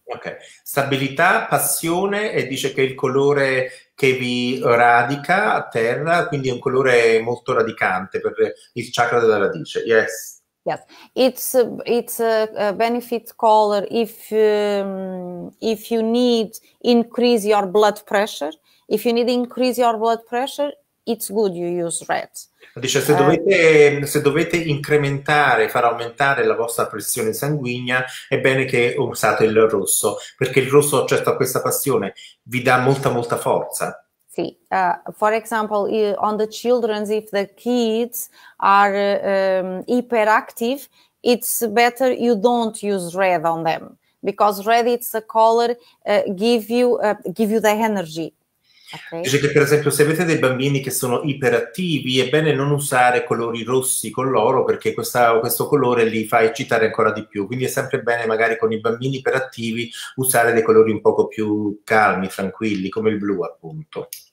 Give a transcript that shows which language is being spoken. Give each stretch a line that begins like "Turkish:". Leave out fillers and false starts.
Italian: Ok, stabilità, passione, e dice che il colore che vi radica a terra, quindi è un colore molto radicante per il chakra della radice.
English: Yes. Yes, it's a benefit color if you need increase your blood pressure. If you need increase your blood pressure, it's good you use red.
Italian: Dice se dovete incrementare, far aumentare la vostra pressione sanguigna, è bene che usate il rosso, perché il rosso, certo, questa passione vi dà molta molta forza.
English: For example, on the children, if the kids are hyperactive, it's better you don't use red on them because red it's a color give you the energy. Okay.
Italian: Dice che per esempio se avete dei bambini che sono iperattivi è bene non usare colori rossi con loro perché questo colore li fa eccitare ancora di più, quindi è sempre bene magari con i bambini iperattivi usare dei colori un poco più calmi, tranquilli, come il blu appunto.